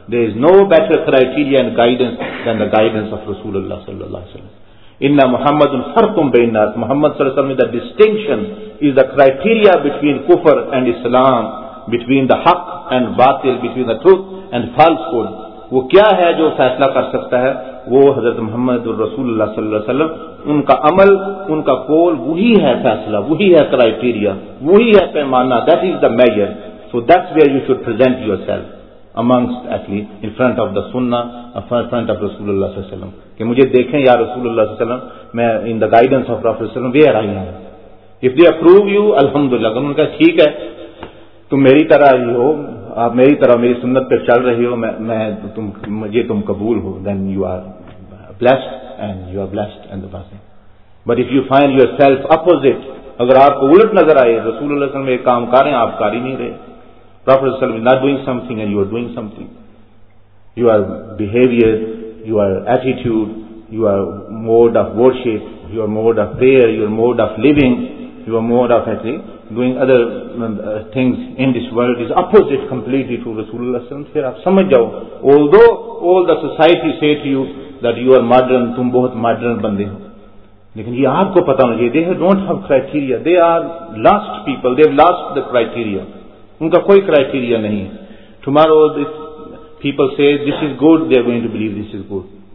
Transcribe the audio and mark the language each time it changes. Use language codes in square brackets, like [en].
[en] There is no better criteria and guidance than the guidance of Rasulullah sallallahu alaihi wasallam. [ar] Inna Muhammadun farqum bainat. [en] Muhammad sallallahu alaihi wasallam, the distinction is the criteria between kufr and Islam, between the haq and batil, between the truth and falsehood. [ur] وہ کیا ہے جو فیصلہ کر سکتا ہے وہ حضرت محمد الرسول اللہ صلی اللہ علیہ وسلم ان کا عمل ان کا قول وہی ہے فیصلہ وہی ہے کرائٹیریا وہی ہے پیمانہ [en] that is the measure so that's where you should present yourself amongst actually in front of [ur] the sunnah in front of رسول اللہ صلی اللہ علیہ وسلم کہ مجھے دیکھیں یا رسول اللہ صلی اللہ علیہ وسلم میں [en] in the guidance of Prophet [ur] صلی اللہ علیہ وسلم [en] where I am if they approve you [ur] الحمدللہ کہ ان کا ٹھیک ہے تم میری طرح ہی ہو آپ میری طرح میری سنت پر چل رہی ہو مجھے تم قبول ہو [en] then you are blessed and you are blessed and the blessing but if you find yourself opposite [ur] اگر آپ کو الٹ نظر آئے رسول اللہ صلی اللہ علیہ وسلم ایک کام کر رہے ہیں آپ کر ہی نہیں رہے [en] Prophet صلی اللہ علیہ وسلم is not doing something and you are doing something your behavior your attitude your mode of worship your mode of prayer your mode of living your mode of acting doing other things in this world is opposite completely to Rasulullah sallallahu alaihi wasallam. [ur] Fir aap samajh jao. [en] Although all the society say to you that you are modern, [ur] tum bahut modern bande ho. Lekin ye aapko pata hona chahiye. [en] They don't have criteria. They are lost people. They have lost the criteria. [ur] Unka koi criteria nahi hai. [en] Tomorrow this people say this is good, they are going to believe this is good.